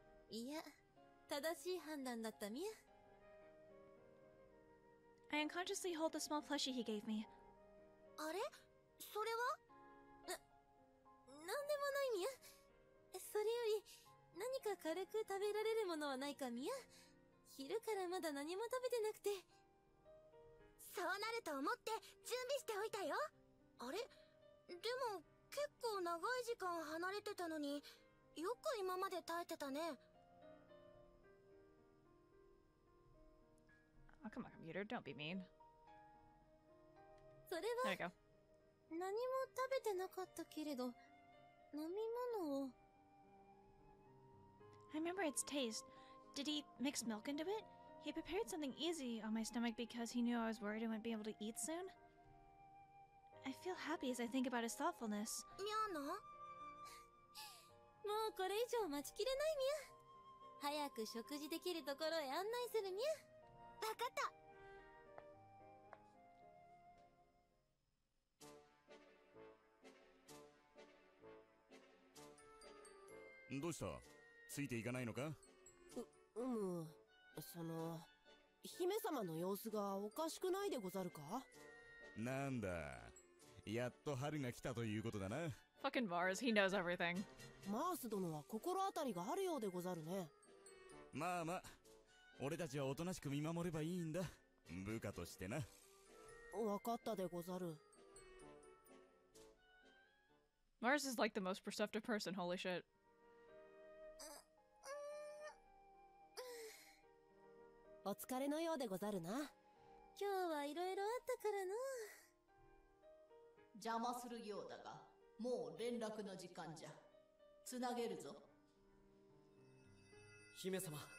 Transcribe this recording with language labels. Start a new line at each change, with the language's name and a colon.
Japanese: いや、正しい判断だったミュ。
English: I unconsciously hold the small plushie he gave me.
Japanese: あれ？それは？なんでもないミュ。それより何か軽く食べられるものはないかミュ。昼からまだ何も食べてなくて。そうなると思って準備しておいたよ。あれ？でも結構長い時間離れてたのに、よく今まで耐えてたね。
English: Oh, come on, computer, don't be mean.
Japanese: それは何も食べてなかったけれど、飲み物を。
English: I remember its taste. Did he mix milk into it? He prepared something easy on my stomach because he knew I was worried I wouldn't be able to eat soon. I feel happy as I think about his thoughtfulness.
Japanese: ミャーナ？もうこれ以上待ちきれないミュ。早く食事できるところへ案内するミュ。わかった。どうした？ついていかないのか？うむ、その姫様の様子がおかしくないでござるか？なんだ。やっと春が来たということだな。
English: Fucking Mars, he knows everything.
Japanese: マース殿は心当たりがあるようでござるね。まあまあ、俺たちはおとなしく見守ればいいんだ。部下としてな。わかったでござる。
English: Mars is like the most perceptive person, holy shit.
Japanese: お疲れのようでござるな。今日はいろいろあったからな。邪魔するようだが、もう連絡の時間じゃ。つなげるぞ。姫様。